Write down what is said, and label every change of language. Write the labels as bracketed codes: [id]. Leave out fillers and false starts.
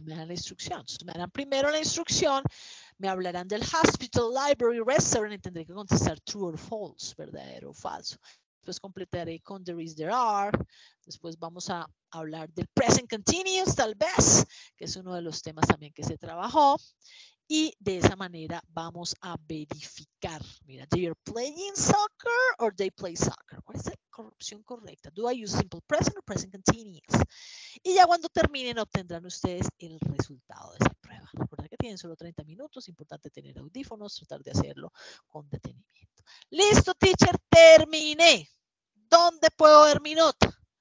[es] Me dan la instrucción. Me dan primero la instrucción, me hablarán del hospital, library, restaurant, y tendré que contestar true or false, verdadero o falso. Después completaré con there is, there are. Después vamos a hablar del present continuous, tal vez, que es uno de los temas también que se trabajó. Y de esa manera vamos a verificar. [en] Mira, do you playing soccer or they play soccer? [es] ¿Cuál es la opción correcta? [en] Do I use simple present or present continuous? [es] Y ya cuando terminen obtendrán ustedes el resultado de esa prueba. Recuerda que tienen solo 30 minutos. Importante tener audífonos, tratar de hacerlo con detenimiento. Listo, teacher, terminé. ¿Dónde puedo ver mi nota?